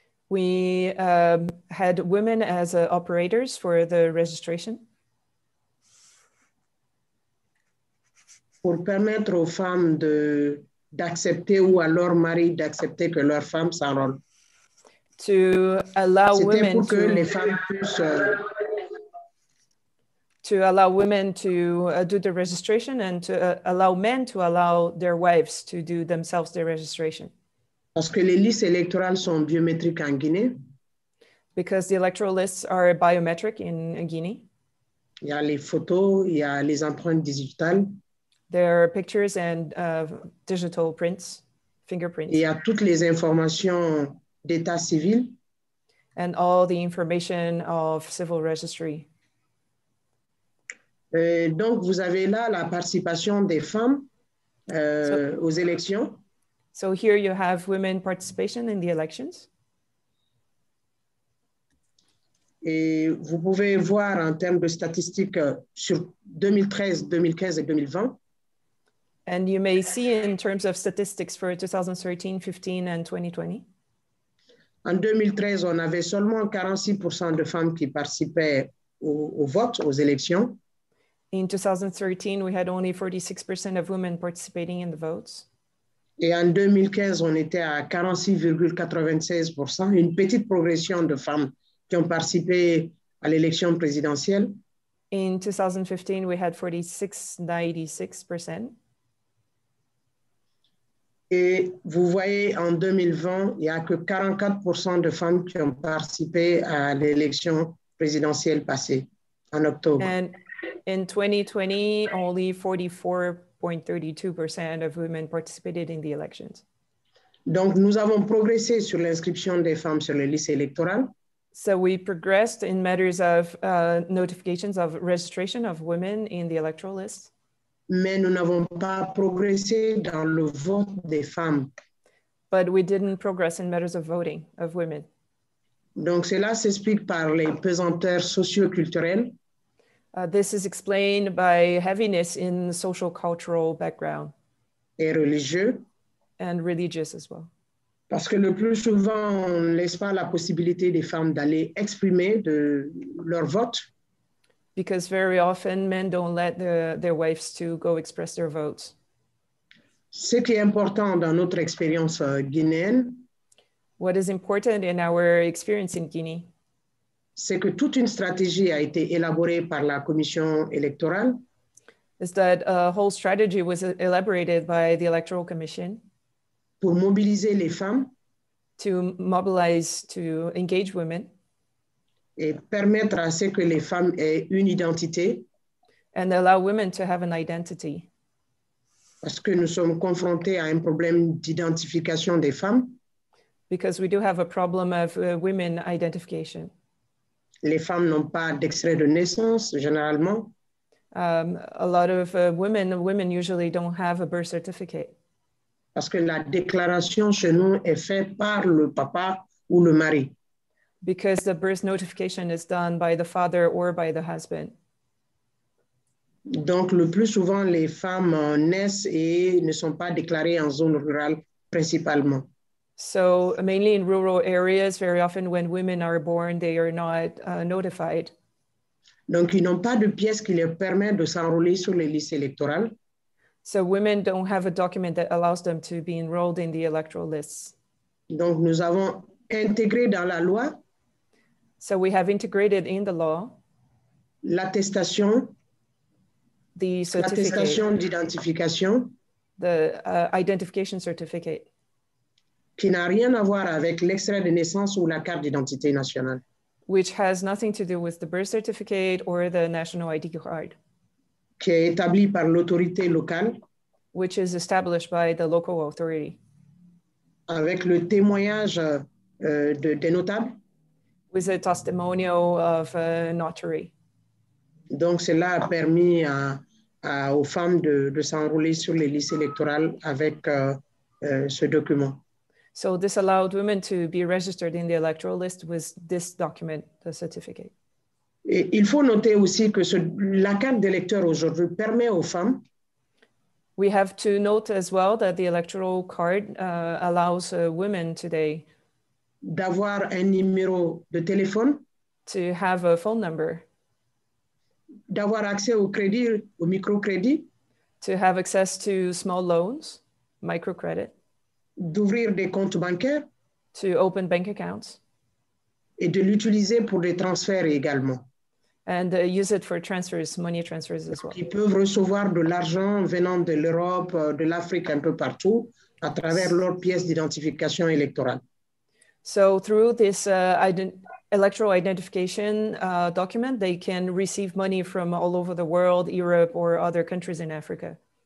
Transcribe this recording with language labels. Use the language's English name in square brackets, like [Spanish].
[English] We had women as operators for the registration. [French] Pour permettre aux femmes d'accepter ou à leur mari d'accepter que leur femme s'enrôle. [English] To allow [French] C'était [English] women [French] pour que [English] to, [French] les femmes puissent, [English] to allow women to do the registration and to allow men to allow their wives to do themselves their registration. [French] Parce que les listes électorales sont biométriques en Guinée. [English] Because the electoral lists are biometric in Guinea. [French] Il y a les photos, il y a les empreintes digitales. [English] There are pictures and digital prints, fingerprints. [French] Il y a toutes les informations d'état civil. [English] And all the information of civil registry. [French] Donc, vous avez là la participation des femmes aux élections. [English] So here you have women participation in the elections. [French] Et vous pouvez voir en termes de statistiques sur 2013, 2015 et 2020. [English] And you may see in terms of statistics for 2013, 15 and 2020. [French] En 2013, on avait seulement 46% de femmes qui participaient au vote, aux élections. [English] In 2013, we had only 46% of women participating in the votes. [French] Et en 2015, on était à 46,96%, une petite progression de femmes qui ont participé à l'élection présidentielle. [English] In 2015, we had 46.96%. [French] Et vous voyez, en 2020, il n'y a que 44% de femmes qui ont participé à l'élection présidentielle passée, en octobre. [English] And in 2020, only 44% 0.32% of women participated in the elections. [French] Donc, nous avons progressé sur l'inscription des femmes sur les listes électorales. [English] So we progressed in matters of notifications of registration of women in the electoral list. [French] Mais nous n'avons pas progressé dans le vote des femmes. [English] But we didn't progress in matters of voting of women. [French] Donc cela s'explique par les pesanteurs socio-culturelles. [English] This is explained by heaviness in social cultural background. [French] Et religieux. [English] And religious as well. [French] Parce que le plus souvent, on ne laisse pas la possibilité des femmes d'aller exprimer de leur vote. [English] Because very often, men don't let their wives to go express their votes. [French] Ce qui est important dans notre expérience guinéenne. [English] What is important in our experience in Guinea? [French] C'est que toute une stratégie a été élaborée par la commission électorale. [English] Is that a whole strategy was elaborated by the electoral commission. [French] Pour mobiliser les femmes. [English] To mobilize, to engage women. [French] Et permettre à ce que les femmes aient une identité. [English] And allow women to have an identity. [French] Parce que nous sommes confrontés à un problème d'identification des femmes. [English] Because we do have a problem of women identification. [French] Les femmes n'ont pas d'extrait de naissance, généralement. [English] A lot of women usually don't have a birth certificate. [French] Parce que la déclaration chez nous est faite par le papa ou le mari. [English] Because the birth notification is done by the father or by the husband. [French] Donc, le plus souvent, les femmes naissent et ne sont pas déclarées en zone rurale principalement. [English] So, mainly in rural areas, very often when women are born, they are not notified. [French] Donc, ils n'ont pas de pièce qui leur permet de s'enrôler sur les listes électorales. [English] So women don't have a document that allows them to be enrolled in the electoral lists. [French] Donc nous avons intégré dans la loi. [English] So we have integrated in the law. [French] L'attestation. [English] The certificate. [French] L'attestation d'identification. [English] The identification certificate. [French] Qui n'a rien à voir avec l'extrait de naissance ou la carte d'identité nationale. [English] Which has nothing to do with the birth certificate or the national ID card. [French] Qui est établi par l'autorité locale. [English] Which is established by the local authority. [French] Avec le témoignage des notables. [English] With a testimonial of a notary. [French] Donc cela a permis aux femmes de s'enrôler sur les listes électorales avec ce document. [English] So this allowed women to be registered in the electoral list with this document, the certificate. [French] Et il faut noter aussi que la carte d'électeur aujourd'hui permet aux femmes. [English] We have to note as well that the electoral card allows women today. [French] D'avoir un numéro de téléphone. [English] To have a phone number. [French] D'avoir accès au crédit, au microcrédit. [English] To have access to small loans, microcredit. [French] D'ouvrir des comptes bancaires. [English] To open bank accounts. [French] Et de l'utiliser pour des transferts également. [English] And use it for transfers, money transfers as well. [French] Ils peuvent recevoir de l'argent venant de l'Europe, de l'Afrique, un peu partout, à travers leur pièce d'identification électorale. [English] So through this electoral identification document, they can receive money from all over the world, Europe or other countries in Africa.